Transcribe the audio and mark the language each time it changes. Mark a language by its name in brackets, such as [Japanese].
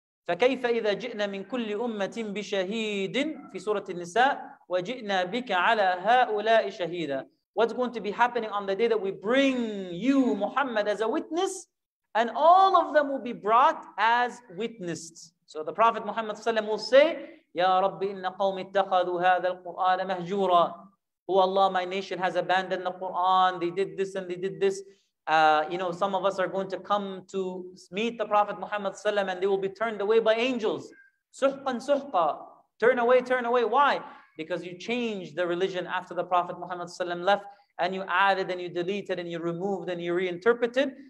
[Arabic] فَكَيْفَ إِذَا جِئْنَا مِنْ كُلِّ أُمَّةٍ بِشَهِيدٍ فِي سُورَةِ النِّسَاءِ وَجِئْنَا بِكَ عَلَى هَؤُلَاءِ شَهِيدًا. [English] What's going to be happening on the day that we bring you, Muhammad, as a witness, and all of them will be brought as witnessed. So the Prophet Muhammad ﷺ will say, [Arabic] يَا رَبِّ إِنَّ قَوْمِ اتَّخَذُوا هَذَا الْقُرْآنَ مَهْجُورًا. [English] Oh Allah, my nation has abandoned the Qur'an. They did this and they did this. Some of us are going to come to meet the Prophet Muhammad ﷺ and they will be turned away by angels. [Arabic] سُحْقًا سُحْقًا. [English] Turn away, turn away. Why? Because you changed the religion after the Prophet Muhammad ﷺ left and you added and you deleted and you removed and you reinterpreted.